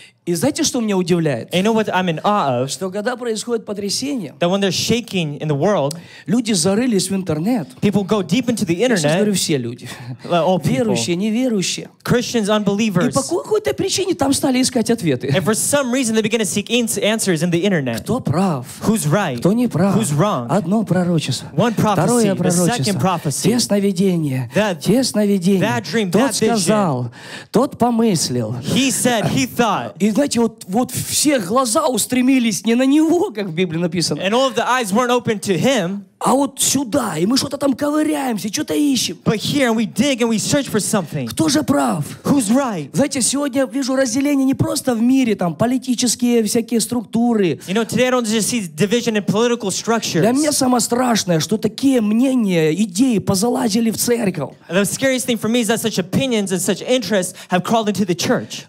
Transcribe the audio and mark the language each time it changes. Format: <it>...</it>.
<ru>И знаете, что меня удивляет?</ru> <en>You know what I'm in awe of?</en> <ru>Что когда происходит потрясение,</ru> <en>that when they're shaking in the world,</en> <ru>люди зарылись в интернет.</ru> <en>People go deep into the internet.</en> <ru>Я сейчас говорю, все люди.</ru> <en>All people.</en> <ru>Верующие, неверующие.</ru> <en>Christians, unbelievers.</en> <ru>И по какой-то причине там стали искать ответы.</ru> <en>And for some reason they begin to seek answers in the internet.</en> <ru>Кто прав?</ru> <en>Who's right?</en> <ru>Кто не прав?</ru> <en>Who's wrong?</en> <ru>Одно пророчество.</ru> <en>One prophecy.</en> <ru>Второе пророчество.</ru> <en>Second prophecy.</en> <ru>Те сновидения. Те сновидения.</ru> <en>That dream,</en> <ru>тот</ru> <en>that</en> <ru>сказал,</ru> <en>vision.</en> <ru>Тот помыслил.</ru> <en>He said, he thought.</en> <ru>И знаете, вот все глаза устремились не на него, как в Библии написано.</ru> <en>And all of the eyes weren't open to him.</en> <ru>А вот сюда, и мы что-то там ковыряемся, что-то ищем.</ru> <en>But here we dig and we search for something.</en> <ru>Кто же прав?</ru> <en>Who's right?</en> <ru>Знаете, сегодня вижу разделение не просто в мире, там, политические всякие структуры.</ru> <en>You know, today I don't just see division in political structures.</en> <ru>Для меня самое страшное, что такие мнения, идеи позалазили в церковь.</ru> <en>The scariest thing for me is that such opinions and such interests have crawled into the church.</en>